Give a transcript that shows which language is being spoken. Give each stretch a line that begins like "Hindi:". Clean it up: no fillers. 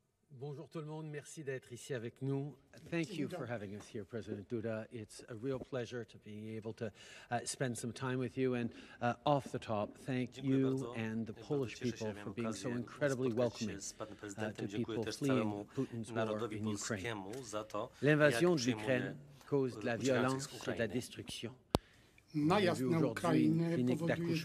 French: Bonjour tout le monde, merci d'être ici avec nous.
English: Thank you for having us here, President Duda. It's a real pleasure to be able to spend some time with you. And off the top, thank you and the Polish people for being so incredibly welcoming to people fleeing Putin's war in Ukraine.
French: L'invasion de l'Ukraine cause de la violence et de la destruction.
Polish: Najazd na Ukrainę powoduje